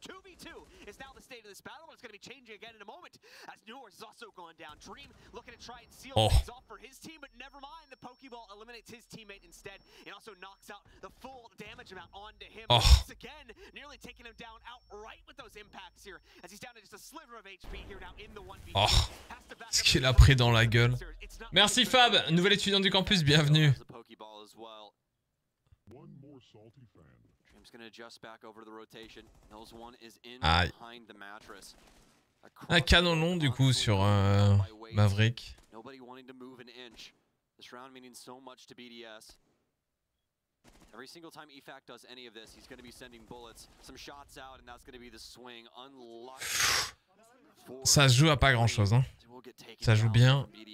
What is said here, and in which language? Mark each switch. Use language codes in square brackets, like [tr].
[en] 2v2 is now the state of this battle, and it's gonna be changing again in a moment. As Newers has also gone down. Dream looking to try and seal things off for his team, but never mind. The Pokeball eliminates his teammate instead. It also knocks out the full damage amount onto him. Once again, nearly taking him down outright with those impacts here. As he's down to just a sliver of HP here now in the 1v2. [fr] Oh, ce qu'il a pris dans la gueule. Merci Fab, nouvel étudiant du campus, bienvenue. [en] The Pokeball as well. One more salty fan. Dream's gonna adjust back over the rotation. Knows one is in behind the mattress. [fr] Un canon long du coup sur Maverick. [en] Nobody wanting to move an inch. This round meaning so much to BDS. Every single time EFAC does any of this, he's going to be sending bullets, some shots out, and that's going to be the swing. Unlucky. [fr] Ça se joue à pas grand chose, hein. Ça joue bien.